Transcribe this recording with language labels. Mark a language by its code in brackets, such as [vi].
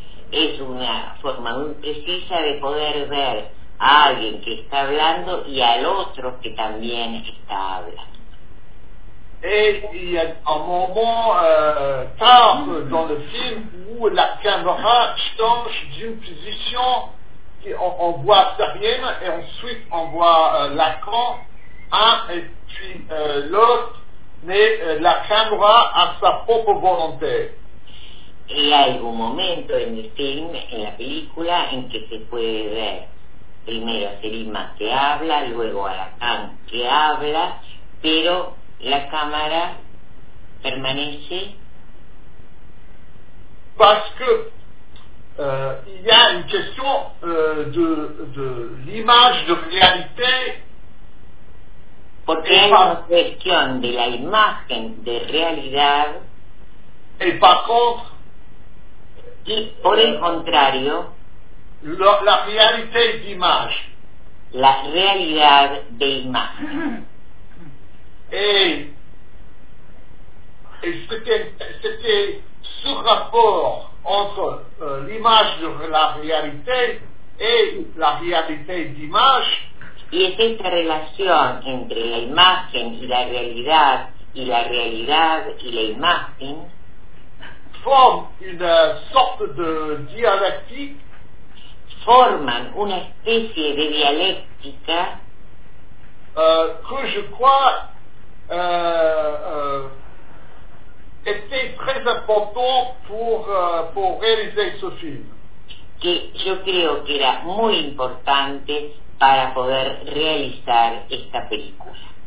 [es] Es una forma muy precisa de poder ver a alguien que está hablando y al otro que también está hablando. [fr] Et il y a un moment tard dans le film où la caméra change d'une position et on voit Sarienne et ensuite on voit Lacan un et puis l'autre, mais la caméra a sa propre volonté. Il y a un moment dans le film, [es] en la película, en que se puede ver primero a Selima que habla, luego a Lacan que habla, pero la cámara permanece [fr] parce que il y a une question de l'image de réalité [es] porque hay una cuestión de la imagen de realidad [fr] et par contre [es] y por el contrario [fr] la réalité d'image [es] la realidad de imagen. [fr] Et c'était ce rapport entre l'image de la réalité et la réalité d'image. [es] Y es esta relación entre la imagen y la realidad y la imagen. [fr] Forme une sorte de dialectique. [es] Forman una especie de dialéctica. [fr] Que je crois. était très important pour réaliser ce film. [es] Que yo creo que era muy importante para poder realizar esta película.